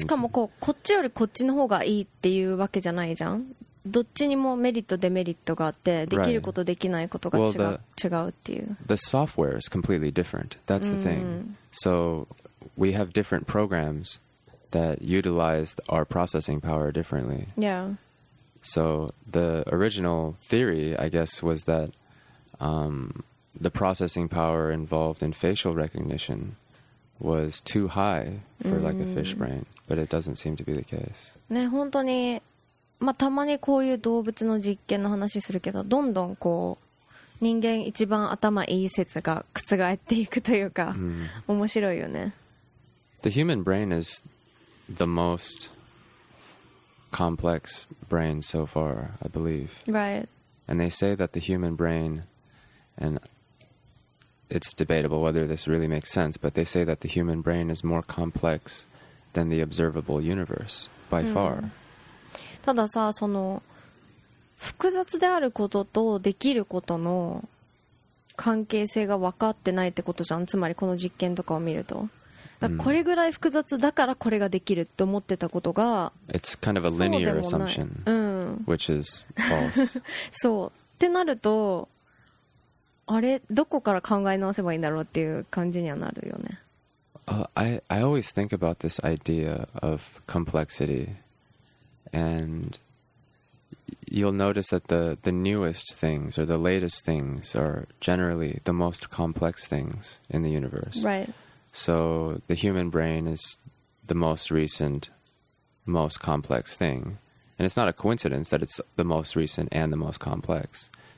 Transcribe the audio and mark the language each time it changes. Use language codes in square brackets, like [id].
[ja] しかもこう、こっちよりこっちの方がいいっていうわけじゃないじゃん。どっちにもメリットデメリットがあって、できることできないことが違うっていう。 [en] The software is completely different. That's the thing. So we have different programs that utilize our processing power differently. Yeah. So the original theory, I guess, was that the processing power involved in facial recognition was too high for like a fish brain, but it doesn't seem to be the case. [ja] ね、本当に、まあ、たまにこういう動物の実験の話するけど、どんどんこう人間一番頭いい説が覆っていくというか、mm. 面白いよね。 [en] The human brain is the most complex brain so far, I believe. Right. And they say that the human brain and it's debatable whether this really makes sense, but they say that the human brain is more complex than the observable universe by far. [ja] たださ、その複雑であることとできることの関係性が分かってないってことじゃん。つまりこの実験とかを見ると。だからこれぐらい複雑だからこれができると思ってたことが、 [en] It's kind of a linear assumption, which is false. [ja] そう。ってなると、あれどこから考え直せばいいんだろうっていう感じにはなるよね。 [en] I always think about this idea of complexity, and you'll notice that the newest things or the latest things are generally the most complex things in the universe. Right. So the human brain is the most recent, most complex thing, and it's not a coincidence that it's the most recent and the most complex.